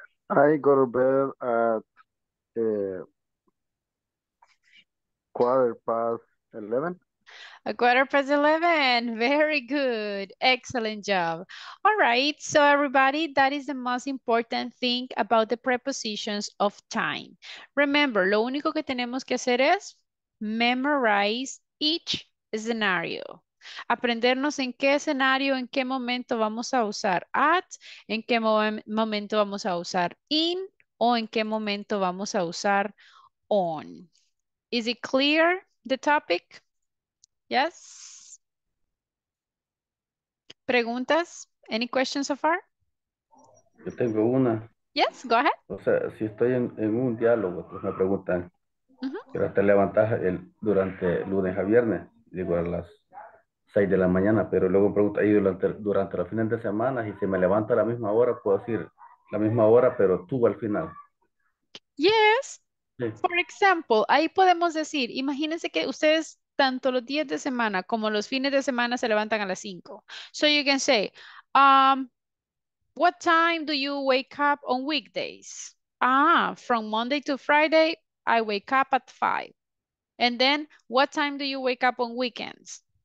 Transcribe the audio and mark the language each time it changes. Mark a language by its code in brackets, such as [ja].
[en] I go to bed at 11:15. A 11:15, very good, excellent job. All right, so everybody, that is the most important thing about the prepositions of time. Remember, [es] lo único que tenemos que hacer es [en] memorize each scenario. [es] Aprendernos en qué escenario, en qué momento vamos a usar at, en qué momento vamos a usar in, o en qué momento vamos a usar on. [en] Is it clear, the topic? Yes? [es] ¿Preguntas? [en] Any questions so far? [es] Yo tengo una. [en] Yes, go ahead. [es] O sea, si estoy en un diálogo, pues me preguntan. Pero te levantas durante lunes a viernes, digo a las 6 de la mañana, pero luego pregunta ahí durante los fines de semana, y si me levanta a la misma hora, puedo decir la misma hora, pero tú al final. [en] Yes. Sí. For example, [es] ahí podemos decir, imagínense que ustedes tanto los días de semana como los fines de semana se levantan a las 5. [en] So you can say, what time do you wake up on weekdays? From Monday to Friday, I wake up at 5. And then, what time do you wake up on weekends?